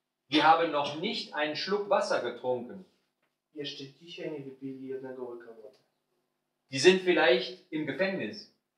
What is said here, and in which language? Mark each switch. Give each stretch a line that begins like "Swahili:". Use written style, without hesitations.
German: wir haben noch nicht einen Schluck Wasser getrunken.
Polish: Jeszcze dzisiaj nie wypili jednego łyka wody.
German: Die sind vielleicht im Gefängnis.